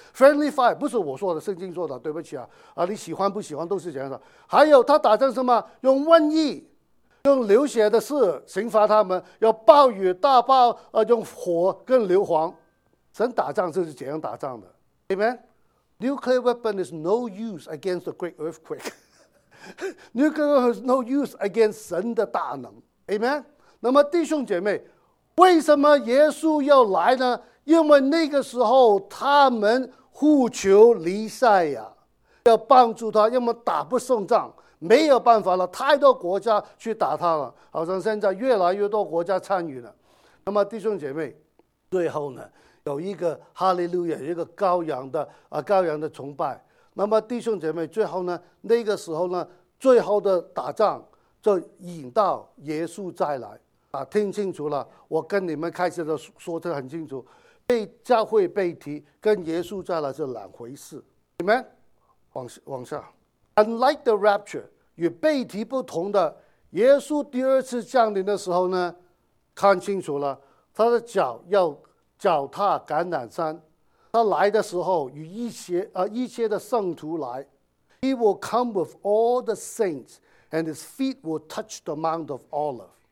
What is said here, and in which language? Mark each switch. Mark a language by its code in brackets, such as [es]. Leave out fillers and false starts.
[en] Friendly fire, [zh] 不是我说的，圣经说的，对不起啊。啊，你喜欢不喜欢都是这样的。还有他打仗什么？用瘟疫，用流血的事刑罚他们，要暴雨大暴，用火跟硫磺。神打仗就是怎样打仗的。 [en] Amen? Nuclear weapon is no use against the great earthquake. Nuclear weapon is no use against [zh] 神的大能。 [en] Amen? [zh] 那么弟兄姐妹，为什么耶稣要来呢？因为那个时候他们呼求弥赛亚要帮助他，要么打不胜仗，没有办法了，太多国家去打他了，好像现在越来越多国家参与了。那么弟兄姐妹，最后呢，有一个哈利路亚，一个羔羊的崇拜。那么弟兄姐妹，最后呢，那个时候呢，最后的打仗就引到耶稣再来啊，听清楚了，我跟你们开始的说得很清楚，被教会被提跟耶稣再来是两回事。你们往下。 [en] Unlike the rapture， [zh] 与被提不同的，耶稣第二次降临的时候呢，看清楚了，他的脚要脚踏橄榄山。他来的时候与一切的圣徒来。 [en] He will come with all the saints， and his feet will touch the Mount of Olives。